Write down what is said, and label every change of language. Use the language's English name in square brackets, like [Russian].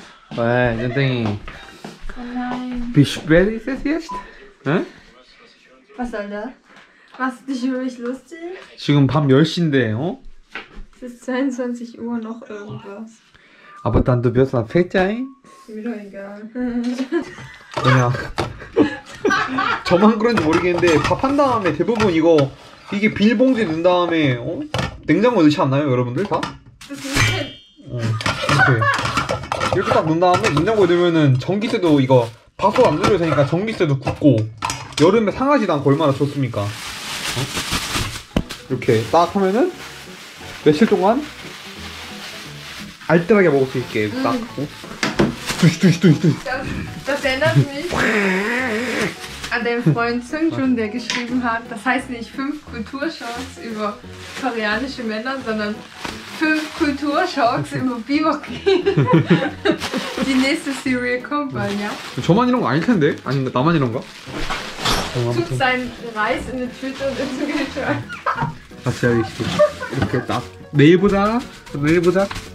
[German] Hey, du denkst. Wie spät ist es jetzt? Hm? Was soll das? Machst du dich über mich lustig? [Korean] 지금 밤 10시인데, 어? [German] Es ist 22 Uhr noch irgendwas. Aber dann du wirst dann fett sein? Mir doch egal. [Korean] 야, 저만 그런지 모르겠는데 밥 한 다음에 대부분 이거 이게 비닐봉지 넣은 다음에 어? 냉장고 넣지 않나요, 여러분들 다? 무슨? 어, 이렇게 딱 넣은 다음에 냉장고에 넣으면은 전기세도 이거 밥솥 안 누려도 되니까 전기세도 굳고 여름에 상하지도 않고 얼마나 좋습니까? 어? 이렇게 딱 하면은 며칠 동안 알뜰하게 먹을 수 있게 딱 두시 두시 두시 두시 [German] Das erinnert mich an den Freund Sung Jun, der geschrieben hat, das heißt nicht 5 Kulturschocks über koreanische Männer, sondern 5 Kulturschocks über Biwaki. Die nächste Serie kommt bald, ja? [Korean] 저만 이런 거 아닐 텐데? 아닌가? 나만 이런가? [German] Tut sein Reis in eine Tüte und ist im Kühlschrank. [Korean] 아, 진짜 이렇게 딱 내일 보자. 내일 보자.